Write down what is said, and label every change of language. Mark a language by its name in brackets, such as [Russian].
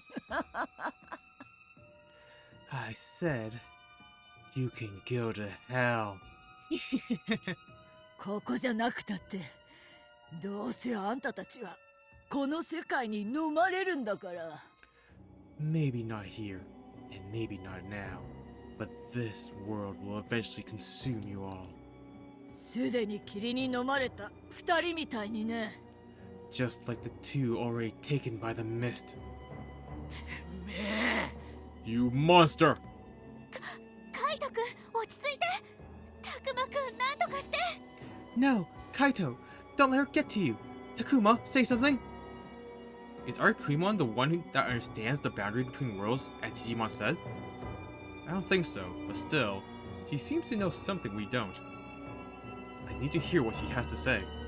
[English] I said, you can go to hell. [Japanese] ここじゃなくたって、どうせあんたたちは。この世界に飲まれるんだから。 [English] Maybe not here, and maybe not now, but this world will eventually consume you all. [Japanese] すでに霧に飲まれた二人みたいにね。 [English] Just like the two already taken by the mist. [Japanese] てめえ。 [English] You monster! [Japanese] カイト君、落ち着いて。タクマ君、なんとかして。 [English] No, Kaito, don't let her get to you. Takuma, say something. Is Arcanemon the one that understands the boundary between worlds, as Digimon said? I don't think so, but still, she seems to know something we don't. I need to hear what she has to say.